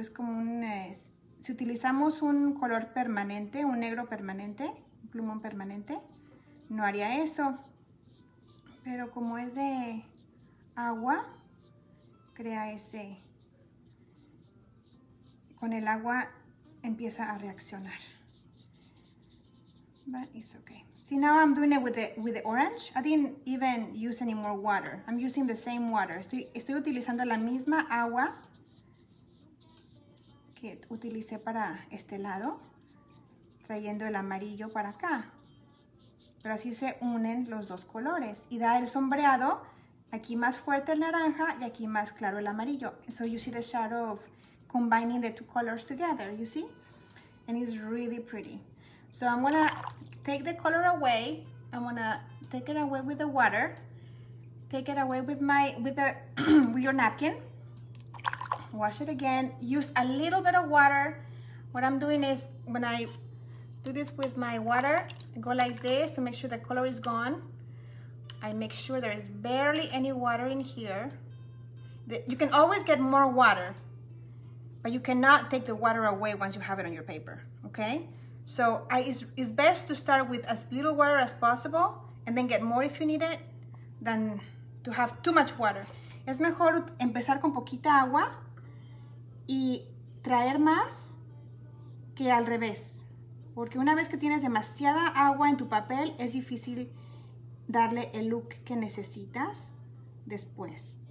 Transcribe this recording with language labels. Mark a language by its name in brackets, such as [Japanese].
[Spanish] Es como un, si utilizamos un color permanente, un negro permanente, un plumón permanente, no haría eso. Pero como es de agua, crea ese, con el agua empieza a reaccionar. [English] But it's okay. See, now I'm doing it with the orange. I didn't even use any more water. I'm using the same water. [Spanish] Estoy utilizando la misma agua que utilicé para este lado, trayendo el amarillo para acá. Pero así se unen los dos colores y da el sombreado, aquí más fuerte el naranja y aquí más claro el amarillo. [English] So you see the shadow of combining the two colors together, you see? And it's really pretty. So I'm gonna take the color away. I'm gonna take it away with the water. Take it away with with your napkin. Wash it again. Use a little bit of water. What I'm doing is when I do this with my water, I go like this to make sure the color is gone. I make sure there is barely any water in here. You can always get more water, but you cannot take the water away once you have it on your paper, okay? So it's best to start with as little water as possible and then get more if you need it than to have too much water. [Spanish] Es mejor empezar con poquita agua y traer más que al revés. Porque una vez que tienes demasiada agua en tu papel, es difícil darle el look que necesitas después.